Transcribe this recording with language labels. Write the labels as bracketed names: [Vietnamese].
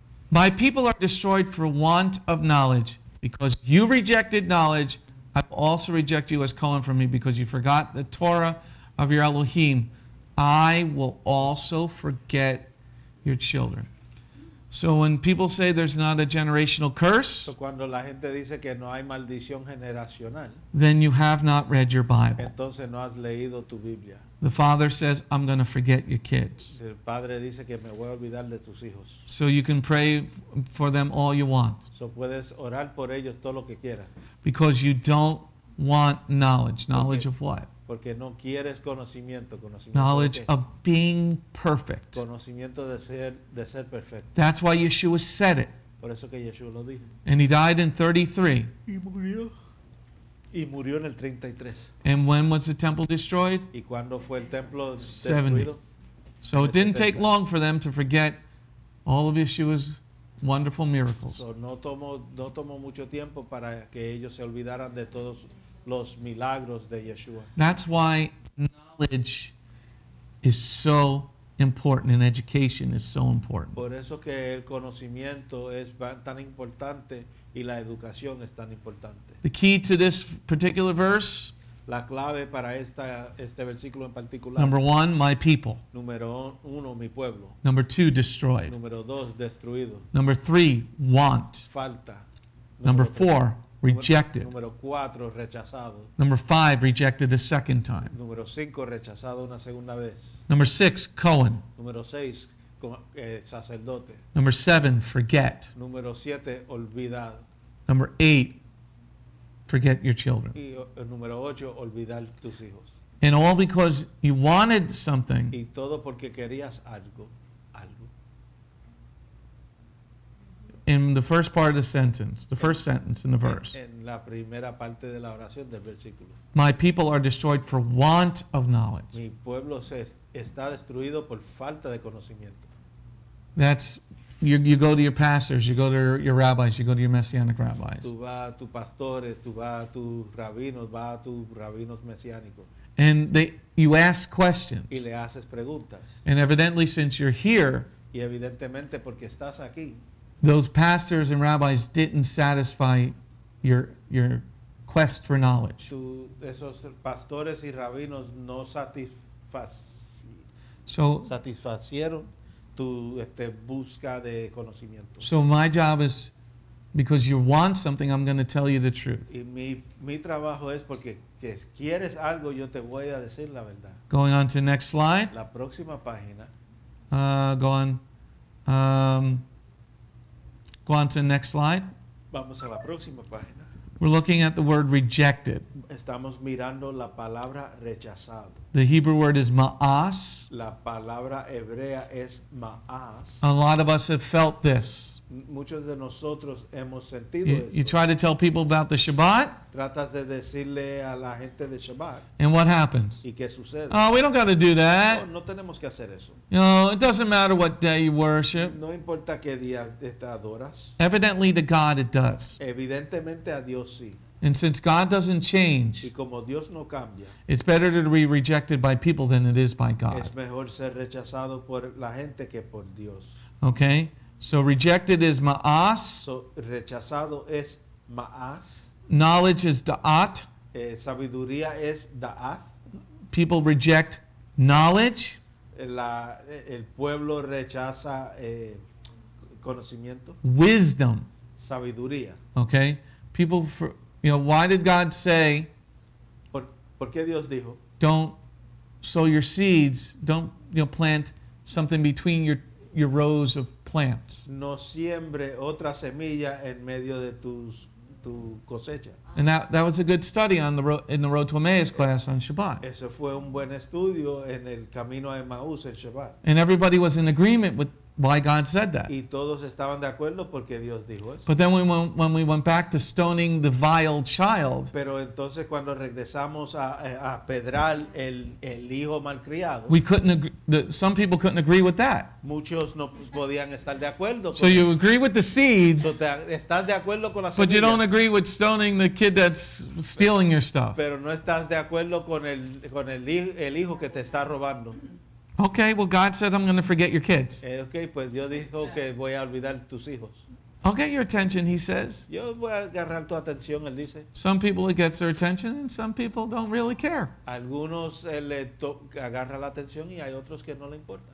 [English] My people are destroyed for want of knowledge. Because you rejected knowledge, I will also reject you as Cohen from me. Because you forgot the Torah of your Elohim, I will also forget your children. So when people say there's not a generational curse, [Spanish] so cuando la gente dice que no hay maldición generacional, [English] then you have not read your Bible. [Spanish] Entonces no has leído tu Biblia. [English] The father says, I'm going to forget your kids. [Spanish] El padre dice que me voy a olvidar de tus hijos. [English] So you can pray for them all you want. [Spanish] So puedes orar por ellos todo lo que quieras. [English] Because you don't want knowledge. Knowledge of what? [Spanish] Porque no quieres conocimiento. [English] Knowledge of being perfect. [Spanish] Conocimiento de ser perfecto. [English] That's why Yeshua said it. [Spanish] Por eso que Yeshua lo dijo. [English] And he died in 33. [Spanish] Y murió en el 33. [English] And when was the temple destroyed? [Spanish] Y cuando fue el templo destruido? 70. [English] So it didn't take long for them to forget all of Yeshua's wonderful miracles. [Spanish] So no tomó mucho tiempo para que ellos se olvidaran de todos los milagros de Yeshua. [English] That's why knowledge is so important and education is so important. [Spanish] Por eso que el conocimiento es tan importante y la educación es tan importante. [English] The key to this particular verse, [Spanish] la clave para este versículo en particular. [English] Number one, my people. [Spanish] Número uno, mi pueblo. [English] Number two, destroyed. [Spanish] Número dos, destruido. [English] Number three, want. [Spanish] Falta. [English] Number four, rejected. [Spanish] Número cuatro, rechazado. [English] Number five, rejected a second time. [Spanish] Número cinco, rechazado una segunda vez. [English] Number six, Cohen. [Spanish] Número seis, sacerdote. [English] Number seven, forget. [Spanish] Número siete, olvidado. [English] Number eight, forget your children. [Spanish] Y número ocho, olvidar tus hijos. [English] And all because you wanted something. [Spanish] Y todo porque querías algo. [English] In the first part of the sentence, the first sentence in the verse. [Spanish] En la primera parte de la oración del versículo. [English] My people are destroyed for want of knowledge. [Spanish] Mi pueblo está destruido por falta de conocimiento. [English] That's, you go to your pastors, you go to your rabbis, you go to your messianic rabbis. [Spanish] Tú vas a tus pastores, tú vas a tus rabinos, vas a tus rabinos mesiánicos. [English] And you ask questions. [Spanish] Y le haces preguntas. [English] And evidently, since you're here. [Spanish] Y evidentemente porque estás aquí. [English] Those pastors and rabbis didn't satisfy your quest for knowledge. [Spanish] Esos pastores y rabinos no satisfacieron tu busca de conocimiento. [English] So my job is, because you want something, I'm going to tell you the truth. [Spanish] Y mi trabajo es porque que quieres algo, yo te voy a decir la verdad. [English] Going on to the next slide. [Spanish] La próxima página. [English] Go on to the next slide. [Spanish] Vamos a la próxima página. [English] We're looking at the word rejected. [Spanish] Estamos mirando la palabra rechazado. [English] The Hebrew word is ma'as. [Spanish] La palabra hebrea es ma'as. [English] A lot of us have felt this. [Spanish] Muchos de nosotros hemos sentido [English] you try to tell people about the Shabbat. [Spanish] Tratas de decirle a la gente de Shabbat. [English] And what happens? [Spanish] ¿Y qué sucede? [English] Oh, we don't got to do that. [Spanish] No, no tenemos que hacer eso. [English] No, it doesn't matter what day you worship. [Spanish] No importa qué día te adoras. [English] Evidently to God it does. [Spanish] Evidentemente a Dios sí. [English] And since God doesn't change, [Spanish] y como Dios no cambia, [English] it's better to be rejected by people than it is by God. [Spanish] Es mejor ser rechazado por la gente que por Dios. [English] Okay? So rejected is ma'as. [Spanish] So rechazado es ma'as. [English] Knowledge is da'at. [Spanish] Sabiduría es da'at. [English] People reject knowledge. [Spanish] El pueblo rechaza conocimiento. [English] Wisdom. [Spanish] Sabiduría. [English] Okay. People, why did God say, [Spanish] ¿Por qué Dios dijo? [English] Don't sow your seeds, don't plant something between your rows of plants. [Spanish] No siembre otra semilla en medio de tu cosecha. [English] And that was a good study on in the Road to Emmaus class on Shabbat. [Spanish] Eso fue un buen estudio en el camino a Emmaus el Shabbat. [English] And everybody was in agreement with why God said that. [Spanish] Y todos estaban de acuerdo porque Dios dijo eso. [English] But then when we went back to stoning the vile child. [Spanish] Pero entonces cuando regresamos a pedrar el hijo malcriado. [English] We couldn't some people couldn't agree with that. [Spanish] Muchos no podían estar de acuerdo. [English] So you agree with the seeds. [Spanish] Estás de acuerdo con las semillas. [English] But you don't agree with stoning the kid that's stealing your stuff. [Spanish] Pero no estás de acuerdo con el hijo que te está robando. [English] Okay, well, God said I'm going to forget your kids. [Spanish] Okay, pues Dios dijo que voy a olvidar tus hijos. [English] I'll get your attention, he says. [Spanish] Yo voy a agarrar tu atención, él dice. [English] Some people it gets their attention, and some people don't really care. [Spanish] Algunos le agarra la atención y hay otros que no le importa.